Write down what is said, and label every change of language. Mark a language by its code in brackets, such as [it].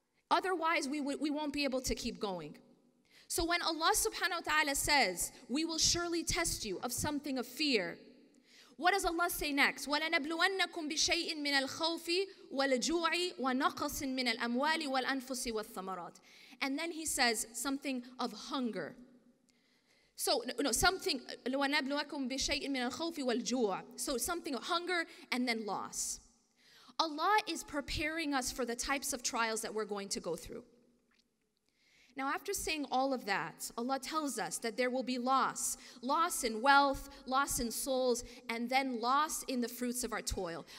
[en] Otherwise, we won't be able to keep going. So when Allah subhanahu wa ta'ala says, we will surely test you of something of fear, what does Allah say next? [ar] وَلَنَبْلُوَنَّكُمْ بِشَيْءٍ مِنَ الْخَوْفِ وَالْجُوعِ وَنَقَصٍ مِنَ الْأَمْوَالِ وَالْأَنفُسِ وَالثَّمَرَاتِ. [en] And then he says something of hunger. So, no, something, [ar] لَوَنَبْلُوَكُمْ بِشَيْءٍ مِنَ الْخَوْفِ وَالْجُوعِ. [en] So something of hunger and then loss. Allah is preparing us for the types of trials that we're going to go through. Now, after saying all of that, Allah tells us that there will be loss. Loss in wealth, loss in souls, and then loss in the fruits of our toil.